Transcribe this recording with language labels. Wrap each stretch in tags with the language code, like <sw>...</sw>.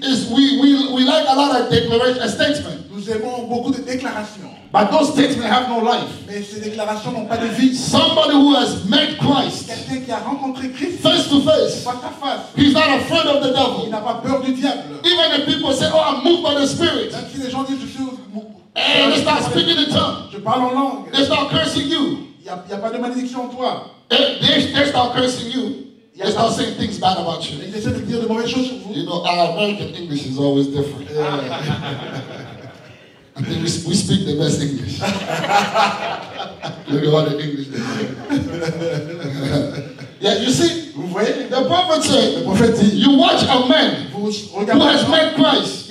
<en>is we like a lot of declarations, statements.</en> <fr>Nous aimons beaucoup de déclarations.</fr> <en>But those statements have no life.</en> <fr>Mais ces déclarations n'ont pas de vie.</fr> <en>Somebody who has met Christ,</en> <fr>quelqu'un qui a rencontré Christ,</fr> <en>face to face,</en> <fr>face à face,</fr> <en>he's not afraid of the devil.</en> <fr>Il n'a pas peur du diable.</fr> <en>Even if people say, oh, I'm moved by the Spirit.</en> <fr>Même si les gens disent, je suis moqué.</fr> <en>And it's not speaking in tongues.</en> <fr>Je parle en langue.</fr> <en>They start cursing you.</en> <fr>Y a pas de malédiction en toi.</fr> <en>They start cursing you. They start saying things bad about you.</en> <fr>Ils essaient de dire de mauvaises choses sur vous.</fr> <en>You know, our American English is always different. Yeah. I think we speak the best English. Look at all the English. Yeah, you see,</en> <fr>vous voyez,</fr> <en>the prophet said,</en> <fr>le prophète dit,</fr> <en>you watch a man who has met Christ,</en>